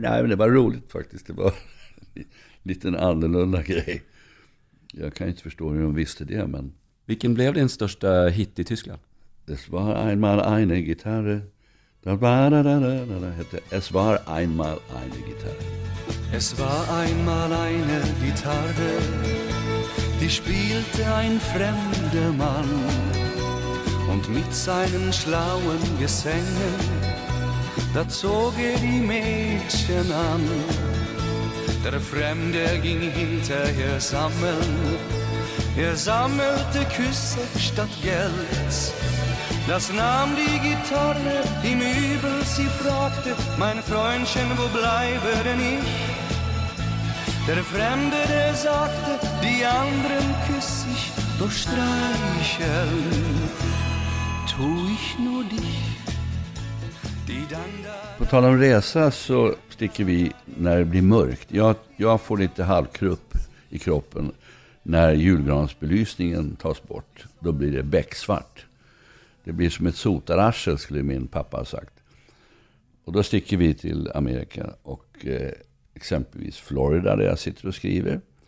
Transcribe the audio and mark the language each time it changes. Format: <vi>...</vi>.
<sv>Nej, men det var roligt faktiskt. Det var en liten annorlunda grej. Jag kan inte förstå hur de visste det, men. Vilken blev din största hit i Tyskland? Det var</sv> <de>einmal eine Gitarre. Es war einmal eine Gitarre. Es war einmal eine Gitarre, die spielte ein fremder Mann. Und mit seinen schlauen Gesängen, da zog er die Mädchen an. Der Fremde ging hinterher sammeln, er sammelte Küsse statt Geld. Das nahm die Gitarre im Übel, sie fragte, mein Freundchen, wo bleibe denn ich? Der Fremde, der sagte, die anderen küss ich, doch streicheln tu ich nur dich.</de> <sv>På tal om resa så sticker vi när det blir mörkt. Jag får lite halvkrupp i kroppen. När julgransbelysningen tas bort, då blir det becksvart. Det blir som ett sotararsel, skulle min pappa ha sagt. Och då sticker vi till Amerika och exempelvis Florida där jag sitter och skriver.</sv>